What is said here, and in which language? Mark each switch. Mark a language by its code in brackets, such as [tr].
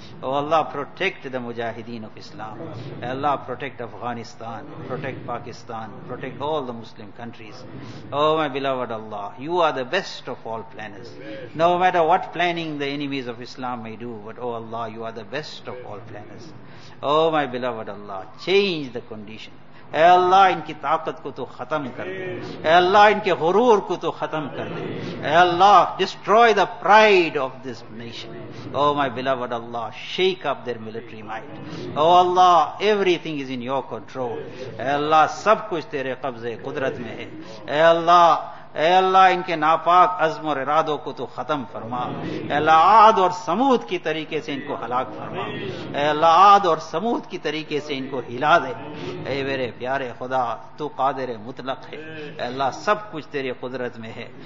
[en] Oh Allah, protect the Mujahideen of Islam. Oh Allah, protect Afghanistan, protect Pakistan, protect all the Muslim countries. Oh my beloved Allah, you are the best of all planners. No matter what planning the enemies of Islam may do, but oh Allah, you are the best of all planners. Oh my beloved Allah, change the condition. [ur] اے اللہ ان کی طاقت کو تو ختم کر دے. اے اللہ ان کے غرور کو تو ختم کر دے. [en] اے اللہ, destroy the pride of this nation. Oh my beloved Allah, shake up their military might. Oh Allah, everything is in your control. [ur] اے اللہ, سب کچھ تیرے قبضے قدرت میں ہے. اے اللہ ان کے ناپاک عزم اور ارادوں کو تو ختم فرما. اے اللہ, عاد اور ثمود کی طریقے سے ان کو ہلاک فرما. اے اللہ, عاد اور ثمود کی طریقے سے ان کو ہلا دے. اے میرے پیارے خدا, تو قادر مطلق ہے. اے اللہ, سب کچھ تیرے قدرت میں ہے.